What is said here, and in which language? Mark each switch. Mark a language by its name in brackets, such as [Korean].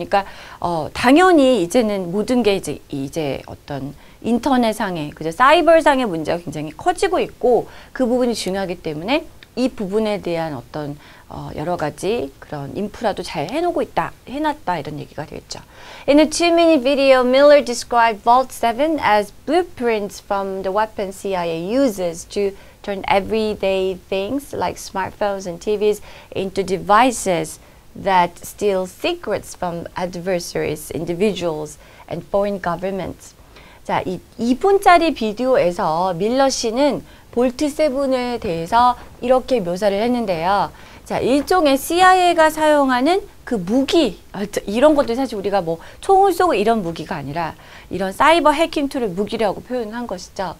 [Korean] 그러니까 당연히 이제는 모든 게 이제 어떤 인터넷상의 그죠 사이버상의 문제가 굉장히 커지고 있고 그 부분이 중요하기 때문에 이 부분에 대한 어떤 여러 가지 그런 인프라도 잘 해놨다 이런 얘기가 되겠죠. [English] In a two-minute video, Miller described Vault 7 as blueprints from the weapons CIA uses to turn everyday things like smartphones and TVs into devices that steal secrets from adversaries, individuals, and foreign governments. [Korean] 자, 이 2분짜리 비디오에서 밀러 씨는 볼트 7에 대해서 이렇게 묘사를 했는데요. 자, 일종의 CIA가 사용하는 그 무기, 이런 것들 사실 우리가 뭐 총을 쏘고 이런 무기가 아니라 이런 사이버 해킹 툴을 무기라고 표현한 것이죠.